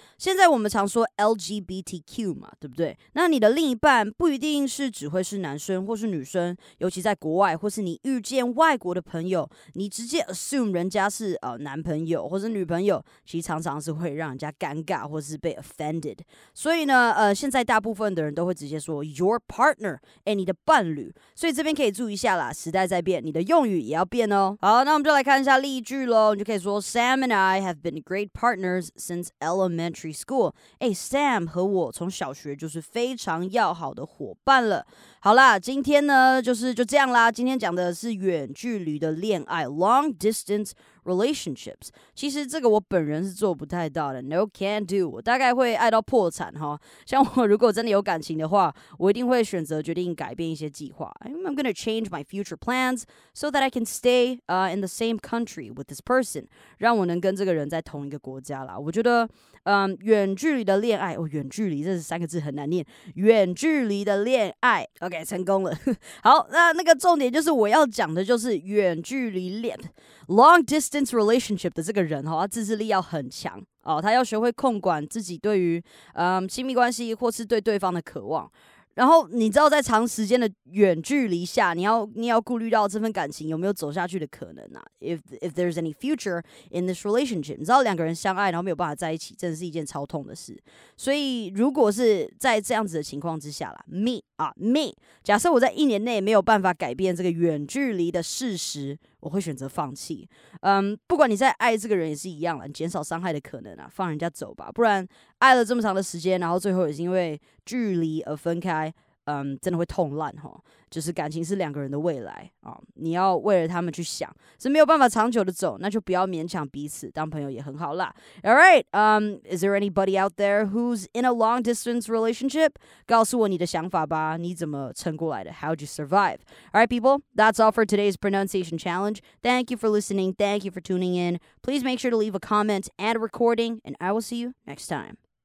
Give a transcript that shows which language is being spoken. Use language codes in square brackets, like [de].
[zh] 现在我们常说 LGBTQ 嘛，对不对？那你的另一半不一定是只会是男生或是女生，尤其在国外，或是你遇见外国的朋友，你直接 assume 人家是男朋友或是女朋友，其实常常是会让人家尴尬或是被 offended。所以呢，现在大部分的人都会直接说 your partner， 哎，你的伴侣。所以这边可以注意一下啦，时代在变，你的用语也要变哦。好，那我们就来看一下例句咯，你就可以说 [en] Sam and I have been great partners since elementary school。 [zh] 哎 ，Sam 和我从小学就是非常要好的伙伴了。好啦，今天呢就这样啦。今天讲的是远距离的恋爱 ，long distance relationships。其实这个我本人是做不太到的 ， [en] no can do。 [zh] 我大概会爱到破产哈。像我如果真的有感情的话，我一定会选择决定改变一些计划。 [en] I'm gonna change my future plans so that I can stay in the same country with this person， [zh] 让我能跟这个人在同一个国家啦。我觉得，远距离的恋爱，哦，远距离这三个字很难念，远距离的恋爱。OK， 成功了。好，那个重点就是我要讲的就是远距离恋 ，long distance relationship 的这个人哈，他自制力要很强。哦，他要学会控管自己对于亲密关系或是对对方的渴望，然后你知道在长时间的远距离下，你要顾虑到这份感情有没有走下去的可能啊 ？ [en] If there's any future in this relationship， [zh] 你知道两个人相爱然后没有办法在一起，真的是一件超痛的事。所以如果是在这样子的情况之下啦 ，me 假设我在一年内没有办法改变这个远距离的事实，我会选择放弃。不管你再爱这个人也是一样啦，减少伤害的可能啊，放人家走吧。不然爱了这么长的时间，然后最后也是因为距离而分开，真的会痛烂齁。就是感情是两个人的未来啊，你要为了他们去想，是没有办法长久的走，那就不要勉强彼此，当朋友也很好啦。 [en] All right, is there anybody out there who's in a long distance relationship? [zh] 告诉我你的想法吧，你怎么撑过来的？ [en] How'd you survive? All right, people, that's all for today's pronunciation challenge. Thank you for listening. Thank you for tuning in. Please make sure to leave a comment and a recording, and I will see you next time.